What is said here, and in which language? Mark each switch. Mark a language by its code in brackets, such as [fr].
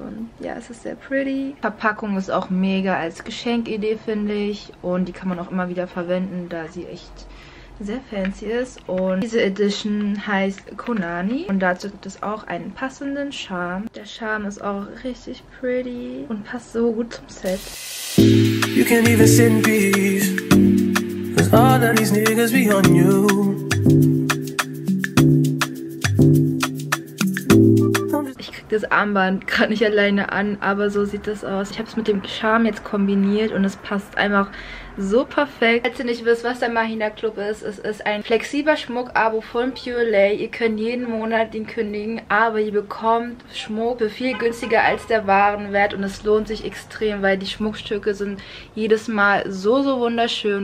[de] Und ja, es ist sehr pretty. Die Verpackung ist auch mega als Geschenkidee, finde ich. Und die kann man auch immer wieder verwenden, da sie echt... sehr fancy ist. Und diese Edition heißt Konani. Und dazu gibt es auch einen passenden Charme. Der Charme ist auch richtig pretty und passt so gut zum Set. [en] You can leave us in peace, 'cause all of these niggas be on you. [de] Das Armband gerade nicht alleine an, aber so sieht das aus. Ich habe es mit dem Charme jetzt kombiniert und es passt einfach so perfekt. Falls ihr nicht wisst, was der Mahina Club ist, es ist ein flexibler Schmuck-Abo von Pure Lay. Ihr könnt jeden Monat den kündigen, aber ihr bekommt Schmuck für viel günstiger als der Warenwert und es lohnt sich extrem, weil die Schmuckstücke sind jedes Mal so, so wunderschön.